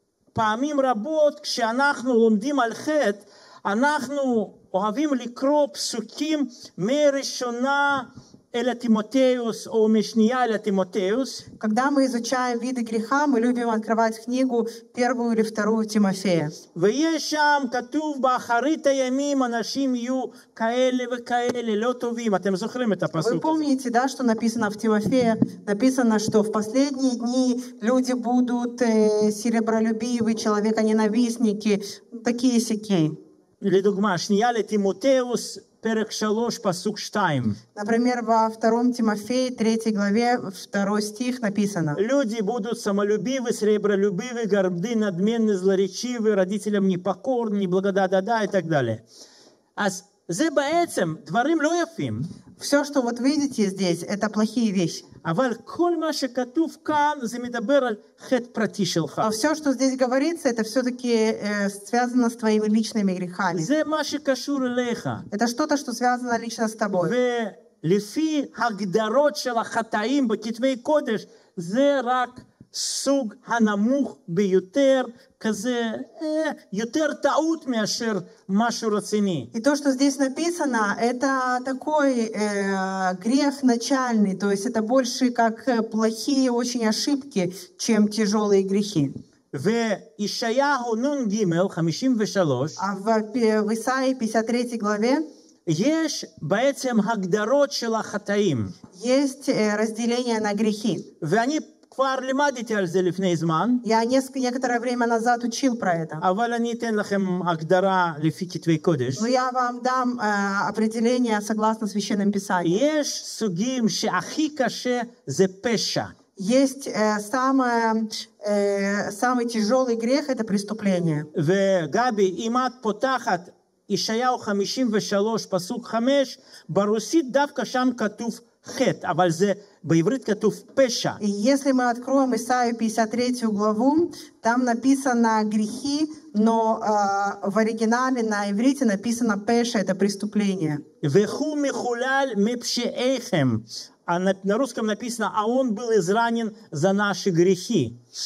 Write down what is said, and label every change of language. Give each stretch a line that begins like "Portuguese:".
Hebrew: ופעמים רבות כשאנחנו לומדים על חטא, אנחנו אוהבים לקרוא פסוקים מראשונה אלא תימותאוס או משנייה אלא תימותאוס.
Russian: Когда мы изучаем виды греха, мы любим открывать книгу первую или вторую Тимофея.
Hebrew: ויש שם כתוב באחרית הימים אנשים יהיו כאלה וכאלה לא טובים. אתם זוכרים את הפסוק?
Russian: Вы помните, да, что написано в Тимофея? Написано, что в последние дни люди будут серебролюбивы, человеконенавистники, такие сякие.
Hebrew: לדוגמה, שנייה לתימותאוס, פרק 3, פסוק 2.
Russian: Например, во втором Тимофее, 3 главе, 2 стих написано. Люди будут самолюбивы, серебролюбивы, горды, надменны, злоречивы, родителям непокорны, благодада-да и так далее.
Hebrew: А זה בעצם דברים לא יפים.
Russian: Все, что вот видите здесь, это плохие вещи.
Hebrew: אבל כל מה שכתוב כאן, זה מדבר על חטא פרטי שלך.
Russian: А все, что здесь говорится, это все-таки связано с твоими личными грехами.
Hebrew: זה מה שקשור אליך.
Russian: Это что-то, что связано лично с тобой.
Hebrew: ולפי הגדרות של החטאים בכתבי קודש, זה רק סוג הנמוך ביותר, כזה, יותר טעות מאשר משהו רציני.
Russian: И то, что здесь написано, это такой грех начальный, то есть это больше как плохие очень ошибки, чем тяжелые грехи.
Hebrew: וישעיהו נון גימל, 53,
Russian: а в Исаии 53 главе
Hebrew: יש בעצם הגדרות של החטאים.
Russian: Есть разделение на грехи.
Hebrew: ואני כבר למדתי על זה לפני זמן.
Russian: Я некоторое время назад учил про это.
Hebrew: אבל אני אתן לכם הגדרה לפי כתבי קודש.
Russian: Но я вам дам определение согласно священным писаниям.
Hebrew: יש סוגים שהכי קשה זה פשע.
Russian: Есть самый тяжелый грех это преступление.
Hebrew: וגבי, אם את פותחת ישעיהו 53 פסוק 5, ברוסית דווקא שם כתוב חטא, אבל זה בעברית כתוב פשע.
Russian: Если мы откроем Исаию 53 главу, там написано грехи, но в оригинале на иврите написано пеша, это преступление.
Hebrew: וְהוּא מְחֻלָּל מְפְשֵׁעֵיכֶם.
Russian: А на русском написано, а он был изранен за наши грехи.